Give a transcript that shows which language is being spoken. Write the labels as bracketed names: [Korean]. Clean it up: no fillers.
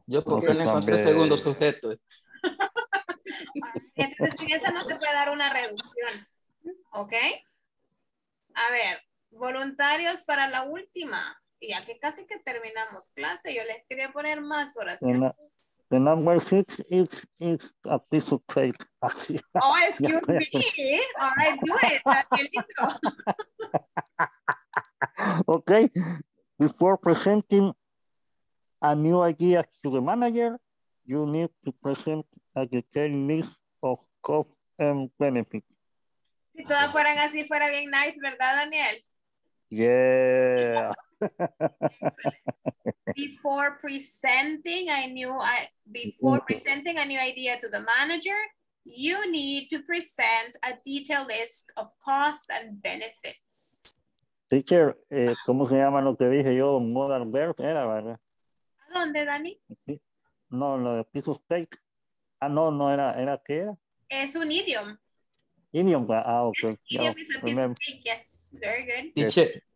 [Spanish] Yo porque le encontré segundo sujeto. Entonces, en esa no se puede dar una reducción. ¿Ok? A ver, voluntarios para la última. Ya que casi que terminamos clase, yo les quería poner más oraciones. [English] The number six is a piece of cake. Oh, excuse me. All right, do it. Okay. Before presenting a new idea to the manager, you need to present a detailed list of costs and benefits. [Spanish] Si todas fueran así, fuera bien nice, ¿verdad, Daniel? [English] Yeah. Before presenting a new presenting a new idea to the manager, you need to present a detailed list of costs and benefits. [Spanish] Teacher, ¿cómo se llama lo que dije yo? Modal verb era, ¿verdad? ¿A dónde, Dani? No, lo de [English] piece of cake. [Spanish] Ah, no, no era, ¿era qué era? Es un idiom. Idiom, ah, okay. [English] Yes, idiom is a piece of cake. Yes, very good. Teacher.